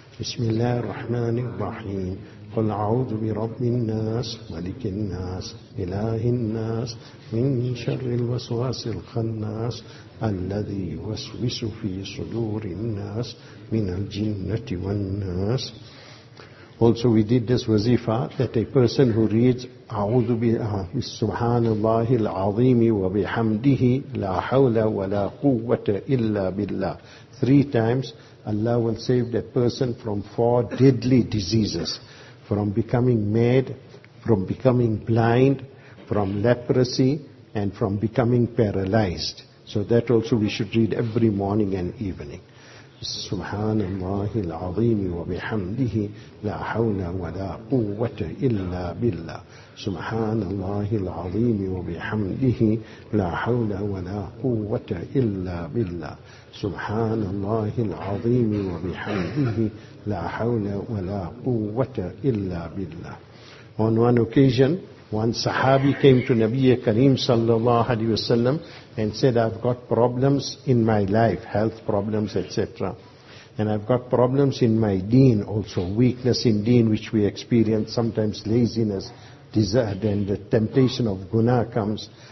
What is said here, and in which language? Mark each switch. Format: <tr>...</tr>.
<ar>بسم الله الرحمن الرحيم. قل أعوذ برب الناس ملك الناس إله الناس من شر الوسواس الخناس الذي يوسوس في صدور الناس من الجنة والناس.</ar> <en>Also, we did this wazifa that a person who reads</en> <ar>أعوذ بسبحان الله العظيم وبحمده لا حول ولا قوة إلا بالله</ar> <en>three times, Allah will save that person from four deadly diseases, from becoming mad, from becoming blind, from leprosy, and from becoming paralyzed. So that also we should read every morning and evening.</en> <ar>سبحان الله العظيم وبحمده لا حول ولا قوة إلا بالله. سبحان الله العظيم وبحمده لا حول ولا قوة إلا بالله. سبحان الله العظيم وبحمده لا حول ولا قوة إلا بالله.</ar> <en>On one occasion, one Sahabi came to Nabi Kareem sallallahu alayhi wa sallam and said, I've got problems in my life, health problems, etc. And I've got problems in my deen also, weakness in deen which we experience, sometimes laziness, desire, and the temptation of guna comes.</en>